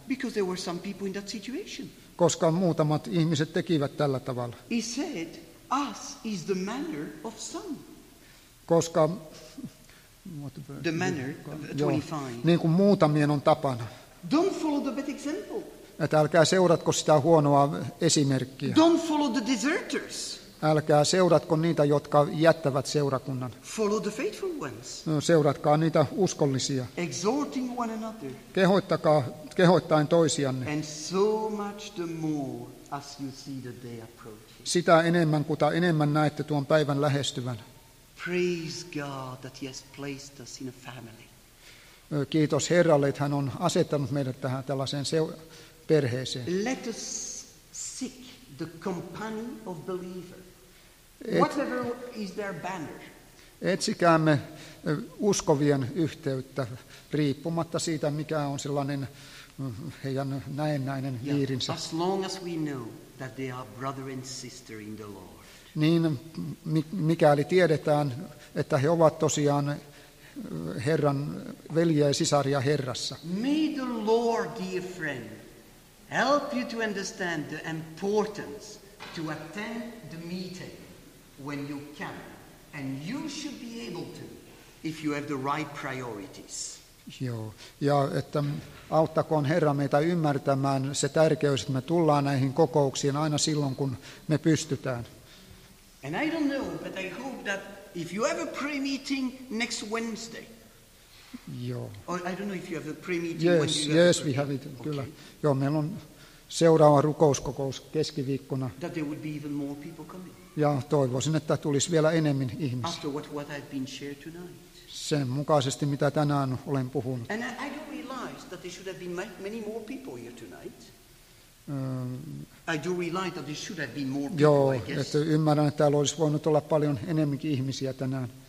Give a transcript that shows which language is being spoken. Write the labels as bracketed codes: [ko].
[en] Because there were some people in that situation. [fi] Koska muutamat ihmiset tekivät tällä tavalla. [en] He said, us is the manner of some. [fi] Koska [en] the manner of 25. [fi] Niin kuin muutamien on tapana. [en] Don't follow the bad example. [fi] Että älkää seuratko sitä huonoa esimerkkiä. [en] Don't follow the deserters. [fi] Älkää seuratko niitä, jotka jättävät seurakunnan. [en] Follow the faithful ones. [fi] Seuratkaa niitä uskollisia. [en] Exhorting one another. [fi] Kehoittaen toisianne. [en] And so much the more as you see the day approaching. [fi] Sitä enemmän, kuta enemmän näette tuon päivän lähestyvän. [en] Praise God that he has placed us in a family. [fi] Kiitos Herralle, että hän on asettanut meidät tähän tällaiseen perheeseen. [en] Let us seek the company of believers. Whatever is their banner. [fi] Etsikäämme uskovien yhteyttä riippumatta siitä, mikä on sellainen heidän näennäinen viirinsä. [en] As long as we know that they are brother and sister in the Lord. [fi] Niin mikäli tiedetään, että he ovat tosiaan Herran veljiä ja sisaria Herrassa. [en] May the Lord, dear friend, help you to understand the importance to attend the meeting when you can, and you should be able to if you have the right priorities. [fi] Joo, ja että auttakoon Herra meitä ymmärtämään se tärkeys, että me tullaan näihin kokouksiin aina silloin, kun me pystytään. [en] And I don't know, but I hope that if you have a prayer meeting next Wednesday. [fi] Joo. [en] Or I don't know if you have a prayer meeting yes, when you yes, we have it, okay. [fi] Kyllä. Joo, meillä on seuraava rukouskokous keskiviikkona. [en] That there would be even more people coming. [fi] Ja toivoisin, että tulisi vielä enemmän ihmisiä. [en] After what I've been shared tonight. [fi] Sen mukaisesti, mitä tänään olen puhunut. [en] And I do realize that there should have been many more people here tonight. I do realize that there should have been more people, [fi] joo, [en] I guess. [fi] Että ymmärrän, että täällä olisi voinut olla paljon enemmänkin ihmisiä tänään.